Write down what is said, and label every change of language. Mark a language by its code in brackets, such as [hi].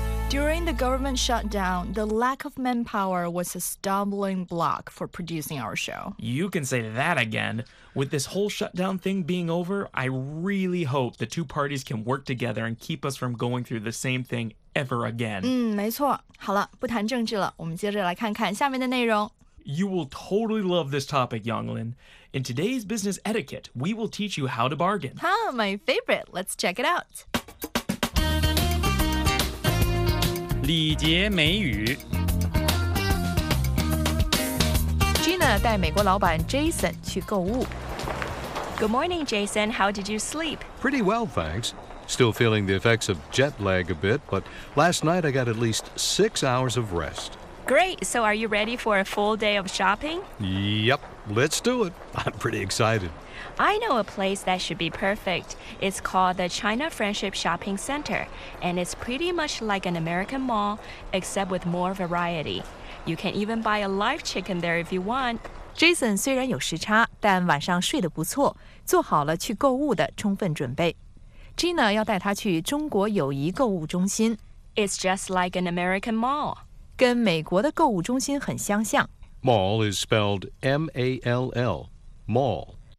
[en] During the government shutdown, the lack of manpower was a stumbling block for producing our show. You can say that again. With this whole shutdown thing being over, I really hope the two parties can work together and keep us from going through the same thing ever again. [zh] 没错。好了，不谈政治了，我们接着来看看下面的内容。 [en] You will totally love this topic, Yonglin. In today's business etiquette, we will teach you how to bargain. Huh, my favorite. Let's check it out. [zh] 礼节美语 Gina 带美国老板 Jason 去购物 [en] Good morning, Jason. How did you sleep? Pretty well, thanks. Still feeling the effects of jet lag a bit, but last night I got at least 6 hours of rest. Great. So are you ready for a full day of shopping? Yep. Let's do it. I'm pretty excited. I know a place that should be perfect. It's called the China Friendship Shopping Center, and it's pretty much like an American mall, except with more variety. You can even buy a live chicken there if you want. [zh] Jason 虽然有时差，但晚上睡得不错，做好了去购物的充分准备。 Gina 要带他去中国友谊购物中心。 [en] It's just like an American mall. [zh] 跟美国的购物中心很相像。 [en] Mall is spelled M-A-L-L, mall.